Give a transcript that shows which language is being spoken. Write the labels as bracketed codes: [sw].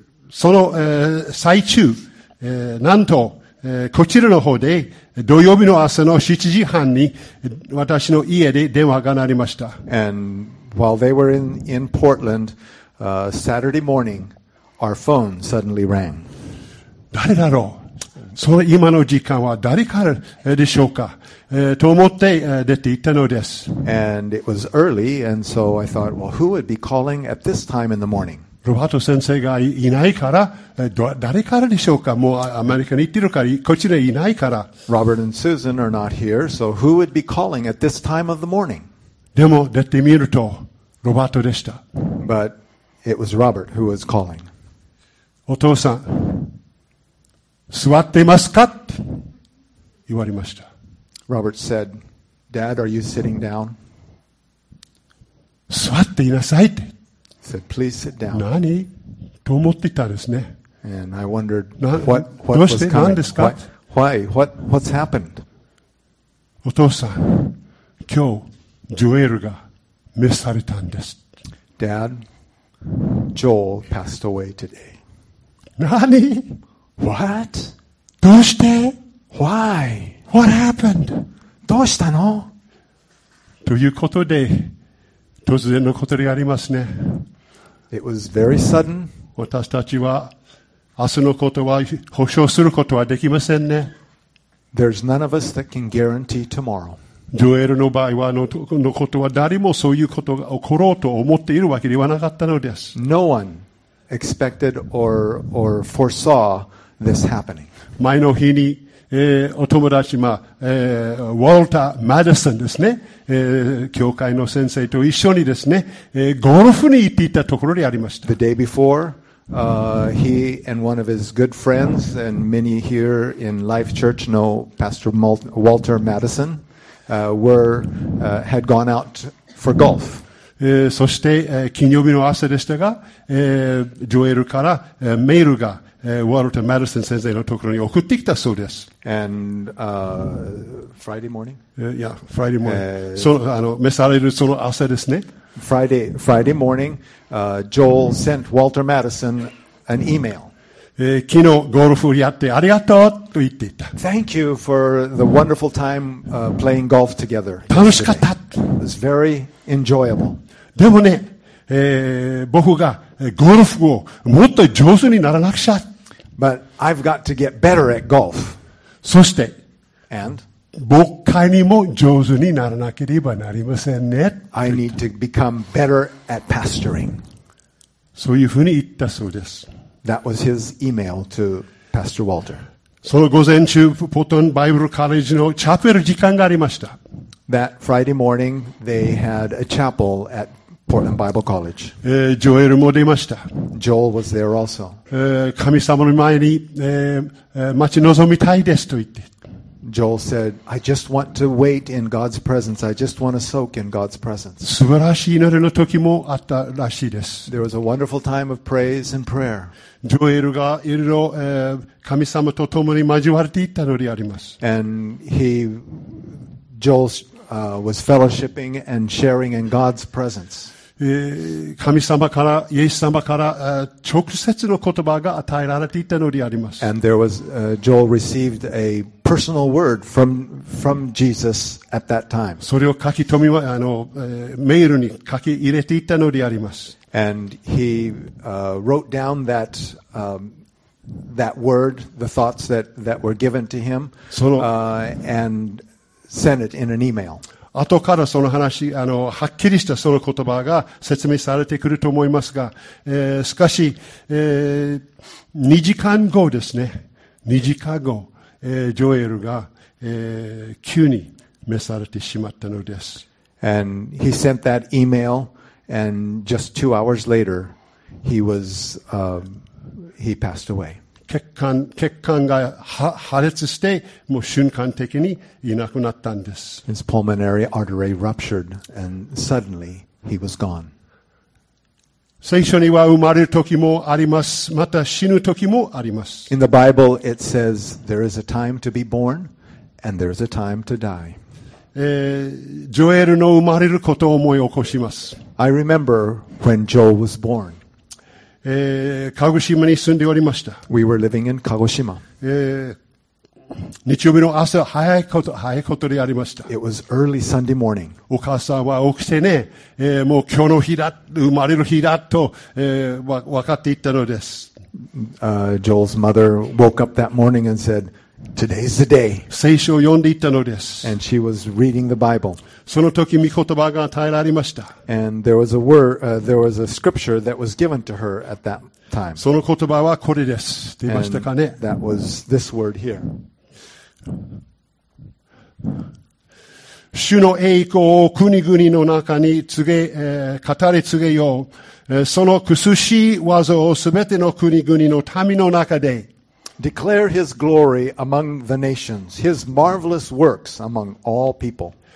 [ja] その、最中、なんと、こちらの方で土曜日の朝の7時半に私の家で電話が鳴りました。 [en] And while they were in Portland, Saturday morning, our phone suddenly rang. [ja] 誰だろう。その今の時間は誰からでしょうか、と思って、出て行ったのです。 [en] And it was early, and so I thought, well, who would be calling at this time in the morning? [ja] ロバート先生がいないから、誰からでしょうか、もうアメリカに行ってるから、こちらいないから。 [en] Robert and Susan are not here, so who would be calling at this time of the morning? [ja] でも出てみると、ロバートでした。 [en] But it was Robert who was calling. [ja] お父さん。座っていますか？言われました。 [en] Robert said, Dad, are you sitting down? [ja] 座っていなさいって。 [en] Said, please sit down. [ja] 何？と思ってたですね。 [en] And I wondered, what was coming? [ja] どうして何ですか？ [en] Why? What's happened? [ja] お父さん、今日、ジョエルが召されたんです。 [en] Dad, Joel passed away today. [ja] 何？ [en] What? [ja] どうして? [en] Why? What happened? [ja] どうしたの? ということで、突然のことでありますね。 [en] It was very sudden. [ja] 私たちは、明日のことは保証することはできませんね。 [en] There's none of us that can guarantee tomorrow. [ja] ジョエルの場合はのことは誰もそういうことが起ころうと思っているわけではなかったのです。 [en] No one expected or foresaw this happening. [ja] 前の日に、お友達、ウォルター・マディソンですね、教会の先生と一緒にですね、ゴルフに行っていたところでありました。 [en] The day before,he and one of his good friends, and many here in Life Church know Pastor Walter Madison, had gone out for golf. [ja] そして、金曜日の朝でしたが、ジョエルから、メールが、Walter Madison 先生のところに送ってきたそうです。 [en] And, Friday morning? Yeah, Friday morning. [ja] その召されるその朝ですね。 [en] Friday morning, Joel sent Walter Madison an email. [ja] 昨日ゴルフをやってありがとうと言っていた。 [en] Thank you for the wonderful time, playing golf together. [ja] 楽しかった。 [en] It was very enjoyable. [ja] でもね、僕がゴルフをもっと上手にならなくちゃ。 [en] But I've got to get better at golf. [ja] そして、 [en] And? [ja] 牧会にも上手にならなければなりませんね。 [en] I need to become better at pastoring. [ja] そういうふうに言ったそうです。 [en] That was his email to Pastor Walter. [ja] その午前中、ポトンバイブルカレッジのチャペル時間がありました。 [en] That Friday morning, they had a chapel at Portland Bible College. [ja] ジョエルも出ました。 [en] Joel was there also. [ja] 神様の前に、待ち望みたいですと言って。 [en] Joel said, I just want to wait in God's presence. I just want to soak in God's presence. [ja] 素晴らしい祈りの時もあったらしいです。 [en] There was a wonderful time of praise and prayer. [ja] ジョエルがいろいろ神様と共に交われていったのであります。 [en] And he, Joel, was fellowshipping and sharing in God's presence. [ja] 神様から、イエス様から直接の言葉が与えられていったのであります。 [en] And there was, Joel received aPersonal word from Jesus at that time. [ja] それを書き留めはメールに書き入れていたのであります。 [en] And he wrote down that word, the thoughts that were given to him, and sent it in an email. [ja] 後からその話はっきりしたその言葉が説明されてくると思いますが、しかし、2時間後ですね、2時間後。ジョエルが、急に召されてしまったのです。 [en] And he sent that email, and just two hours later, he was, he passed away. [ja] 血管が破裂して、もう瞬間的にいなくなったんです。 [en] His pulmonary artery ruptured, and suddenly he was gone. [ja] 聖書には生まれる時もあります。また死ぬ時もあります。 [en] In the Bible, it says, there is a time to be born, and there is a time to die. [ja] ジョエルの生まれることを思い起こします。 [en] I remember when Joel was born. [ja] 鹿児島に住んでおりました。 [en] We were living in Kagoshima. [ja] 日曜日の朝、早いことでありました。 [en] It was early Sunday morning. [ja] お母さんは起きてね、もう今日の日だ、生まれる日だと、分かっていったのです。 [en] Joel's mother woke up that morning and said, "Today's the day." [ja] 聖書を読んでいったのです。 [en] And she was reading the Bible. [ja] その時、御言葉が与えられました。 [en] And there was a word, there was a scripture that was given to her at that time. [ja] その言葉はこれです。出ましたかね。 [en] And that was this word here. [ja] 主の栄光を国々の中に語り継げよう。その屈しい技をすべての国々の民の中で。 [en] Declare his glory among the nations, his marvelous works among all people.